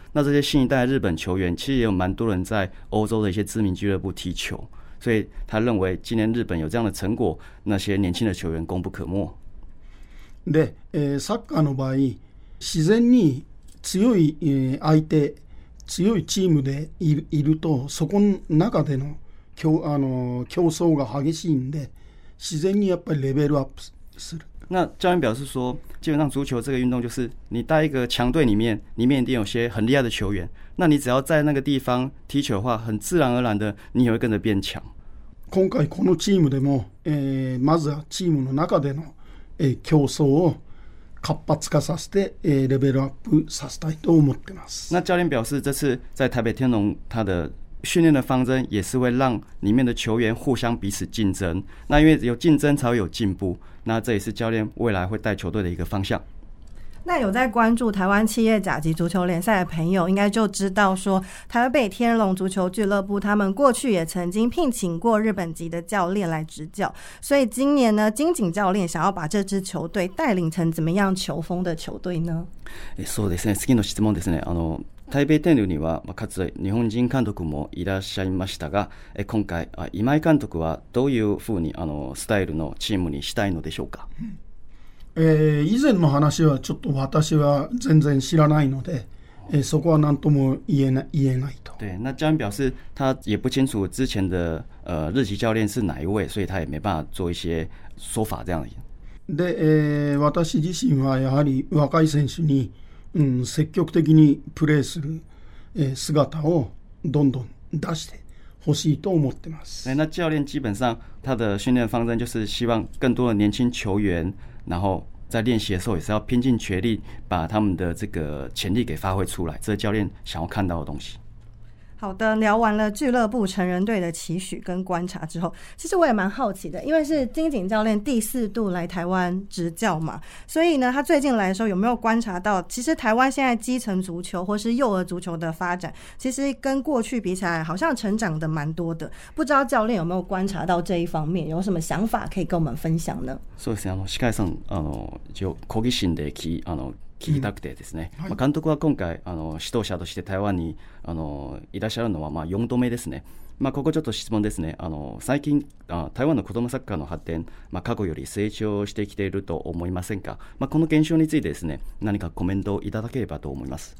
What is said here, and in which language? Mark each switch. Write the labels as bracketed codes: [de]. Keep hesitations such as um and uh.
[zh] 那这些新一代日本球员其实也有蛮多人在欧洲的一些知名俱乐部所以他认今年日本有这样的成果，那些年轻的功不可没。 [ja] で、えサッカーの場合、自然に強い、え相手、強いチームでいるいると、そこの中での競あの競争が激しいんで、自然にやっぱりレベルアップする。 [zh] 那教练表示说，基本上足球这个运动就是你待一个强队里面，里面一定有些很厉害的球员。那你只要在那个地方踢球的话，很自然而然的，你也会跟着变强。 [ja] 今回このチームでも、えまずはチームの中でのえ競争を活発化させてレベルアップさせたいと思ってます。 [zh] 那教练表示，这次在台北天龙，他的。训练的方针也是会让里面的球员互相彼此竞争，那因为有竞争才会有进步，那这也是教练未来会带球队的一个方向。那有在关注台湾企业甲级足球联赛的朋友，应该就知道说台北天龙足球俱乐部他们过去也曾经聘请过日本籍的教练来执教，所以今年呢，金井教练想要把这支球队带领成怎么样球风的球队呢？ [ja] そうですね。次の質問ですね。あの。台北天竜にはかつ日本人監督もいらっしゃいましたが今回今井監督はどういうふうにあのスタイルのチームにしたいのでしょうか、え以前の話はちょっと私は全然知らないので。诶，说过难多么一言一言来头。 [zh] 对，那这样表示他也不清楚之前的呃日籍教练是哪一位，所以他也没办法做一些说法这样的。 [ja] で、私自身はやはり若い選手に。うん、積極的にプレーする姿をどんどん出して。欲しいと思ってます。 [zh] 那教练基本上他的訓練、方针就是希望更多的年轻球员，然后在练习的时候也是要拼尽全力，把他们的这个潜力给发挥出来。教练想要看到的好的，聊完了俱乐部成人队的期许跟观察之后，其实我也蛮好奇的，因为是金井教练第四度来台湾执教嘛，所以呢，他最近来的时候有没有观察到，其实台湾现在基层足球或是幼儿足球的发展，其实跟过去比起来，好像成长的蛮多的，不知道教练有没有观察到这一方面，有什么想法可以跟我们分享呢？所以实际上，呃 ，就科技性的基，呃。 [ja] 聞きたくてですね、うんはい、まあ、監督は今回、あの指導者として台湾にあのいらっしゃるのはま4度目ですね、まあ、ここちょっと質問ですね、あの最近あ、台湾の子どもサッカーの発展、まあ、過去より成長してきていると思いませんか、まこの現象についてですね、何かコメントをいただければと思います。